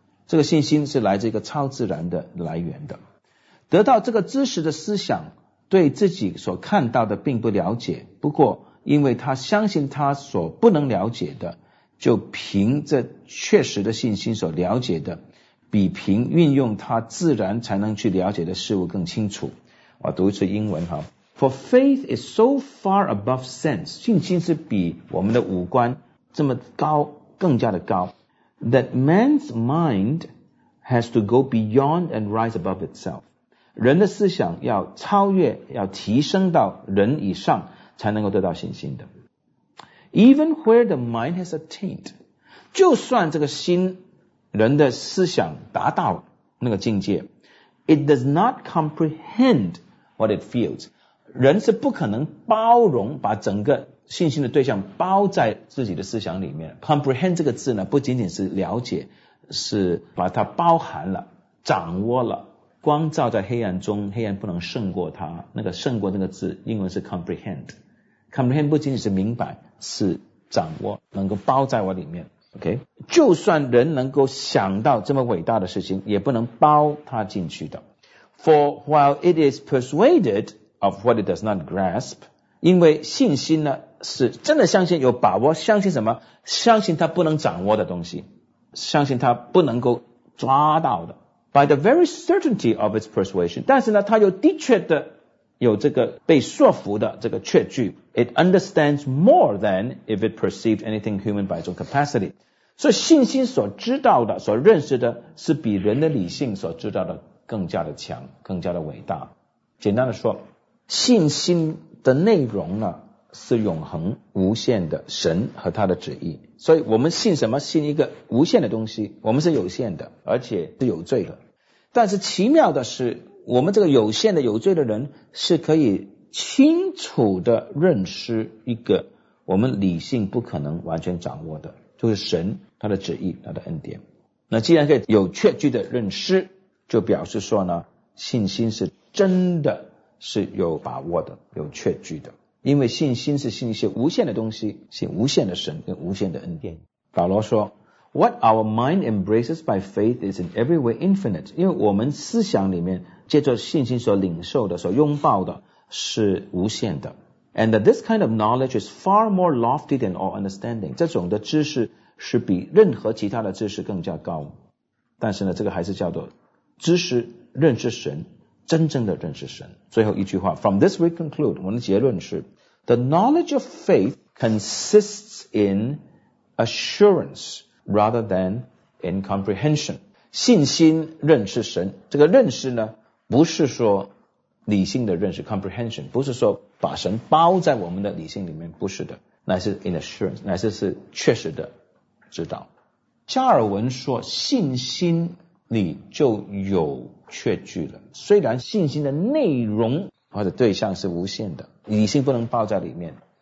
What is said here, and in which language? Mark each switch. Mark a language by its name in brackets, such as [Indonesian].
[Chinese] 这个信心是来自一个超自然的来源的。得到这个知识的思想，对自己所看到的并不了解，不过因为他相信他所不能了解的，就凭着确实的信心所了解的，比凭运用他自然才能去了解的事物更清楚。我读一次英文哈。 [English] For faith is so far above sense, [Chinese] 信心是比我们的五官这么高，更加的高， [English] that man's mind has to go beyond and rise above itself. [Chinese] 人的思想要超越，要提升到人以上，才能够得到信心的。 [English] Even where the mind has attained, [Chinese] 就算这个心人的思想达到那个境界， [English] it does not comprehend what it feels. [Chinese] 人是不可能包容把整个信心的对象包在自己的思想里面。 comprehend 这个字呢，不仅仅是了解，是把它包含了，掌握了，光照在黑暗中，黑暗不能胜过它。那个胜过那个字英文是 comprehend。comprehend 不仅仅是明白，是掌握，能够包在我里面。 OK， 就算人能够想到这么伟大的事情，也不能包它进去的。 [English] For while it is persuaded of what it does not grasp， [Chinese] 因为信心呢，是真的相信，有把握，相信什么？相信它不能掌握的东西，相信它不能够抓到的。 [English] By the very certainty of its persuasion， [Chinese] 但是呢，它又的确的有这个被说服的这个确据。 [English] It understands more than if it perceived anything human by its own capacity. [Chinese] 所以信心所知道的，所认识的，是比人的理性所知道的更加的强，更加的伟大。简单的说，信心的内容呢，是永恒无限的神和他的旨意。所以我们信什么？信一个无限的东西。我们是有限的，而且是有罪的。但是奇妙的是，我们这个有限的有罪的人是可以清楚的认识一个我们理性不可能完全掌握的，就是神他的旨意，他的恩典。那既然可以有确据的认识，就表示说呢，信心是真的是有把握的，有确据的。因为信心是信一些无限的东西，信无限的神跟无限的恩典。保罗说 [English] What our mind embraces by faith is in every way infinite. [Chinese] 因为我们思想里面借着信心所领受的，所拥抱的，是无限的。 [English] And that this kind of knowledge is far more lofty than all understanding. [Chinese] 这种的知识是比任何其他的知识更加高。但是呢，这个还是叫做知识，认识神，真正的认识神。 [English] 最后一句话， From this we conclude, [Chinese] 我们的结论是， [English] The knowledge of faith consists in assurance. rather than in comprehension. [Chinese] 信心认识神，这个认识呢，不是说理性的认识 comprehension， 不是说把神包在我们的理性里面，不是的，乃是 [English] in assurance， [Chinese] 乃是是确实的知道。加尔文说信心里就有确据了，虽然信心的内容或者对象是无限的，理性不能包在里面。